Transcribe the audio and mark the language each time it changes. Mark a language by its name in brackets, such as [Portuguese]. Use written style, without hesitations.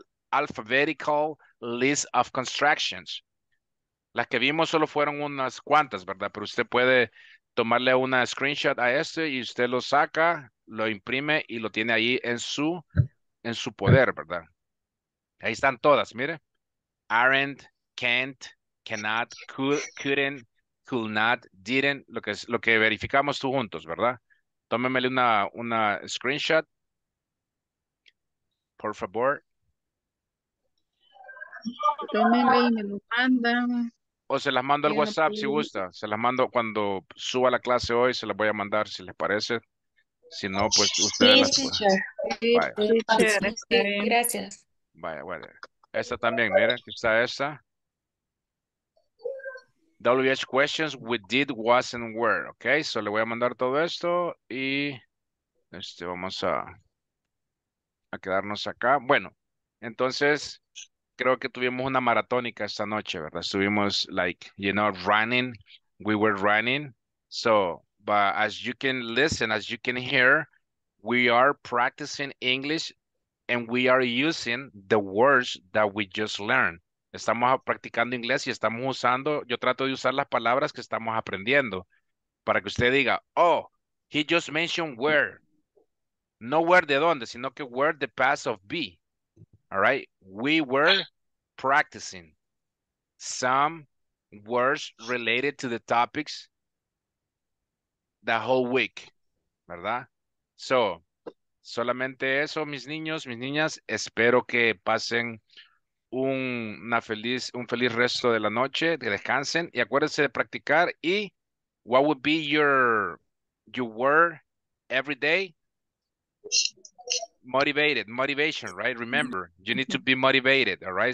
[English] Alphabetical list of constructions. [Spanish] Las que vimos solo fueron unas cuantas, ¿verdad? Pero usted puede tomarle una screenshot a este y usted lo saca, lo imprime y lo tiene ahí en su poder, ¿verdad? Ahí están todas, mire. [English] Aren't, can't, cannot, couldn't, could not, didn't, [Spanish] lo que verificamos tú juntos, ¿verdad? Tómemele una screenshot. Por favor. Tómeme y me lo mandan. O se las mando al WhatsApp si gusta. Se las mando cuando suba la clase hoy, se las voy a mandar si les parece. Si no, pues ustedes las pueden. Vaya. Gracias. Vaya. Esta también, miren, está esta. [English] WH questions with did, was, and were. Okay, so [Spanish] le voy a mandar todo esto y vamos a quedarnos acá. Bueno, entonces creo que tuvimos una maratónica esta noche, ¿verdad? Estuvimos [English] like, you know, running. We were running. So, but as you can listen, as you can hear, we are practicing English and we are using the words that we just learned. [Spanish] Estamos practicando inglés y estamos usando, yo trato de usar las palabras que estamos aprendiendo para que usted diga, [English] oh, he just mentioned where. No where [Spanish] de dónde, sino que [English] where the past of be. All right? We were practicing some words related to the topics the whole week. [Spanish] ¿Verdad? So, solamente eso, mis niños, mis niñas. Espero que pasen un feliz resto de la noche, que descansen y acuérdense de practicar. [English] Y what would be your word every day? Motivated, motivation, right? Remember, you need to be motivated, all right?